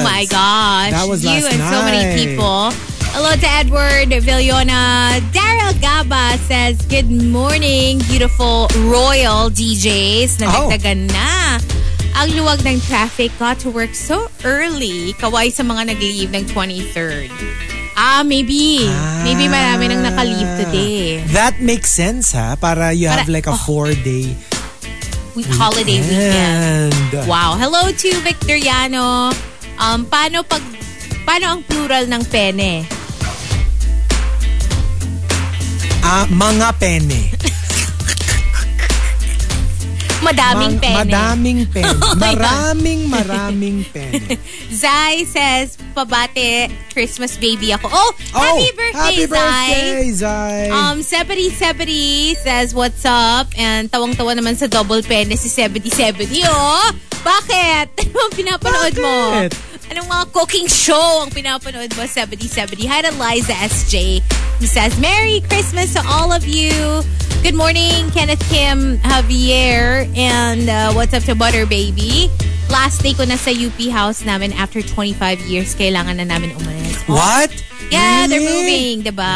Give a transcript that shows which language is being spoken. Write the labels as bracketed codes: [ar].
[en] Oh, my gosh. That was you last night. You and so many people. Hello to Edward Villona. Daryl Gaba says, good morning, beautiful royal DJs. [tl] Nagtagan na. Ang luwag ng traffic, [en] got to work so early. [tl] Kawai sa mga nag-leave ng 23rd. Maybe marami nang naka-leave today. [en] That makes sense, ha? Have like a four-day holiday weekend. Wow. Hello to Victoriano. [tl] Paano ang plural ng pene? Mga pene. Madaming pene. Madaming pene. Maraming pene. [en] Zai says, [tl] pabate, [en] Christmas baby ako. Happy birthday, Zai. Sebedee says, what's up? [tl] And tawang-tawa naman sa double pene si Sebedee. Bakit? Anong pinapanood mo? Anong mga cooking show ang pinapanood mo, Sebedee? [en] Hi to Liza SJ. He says, Merry Christmas to all of you. Good morning, Kenneth Kim, Javier, and what's up to Butter Baby? [tl] Last day ko na sa UP house namin after 25 years, kailangan na namin umalis. Oh. [en] What? Yeah, really? They're moving, diba?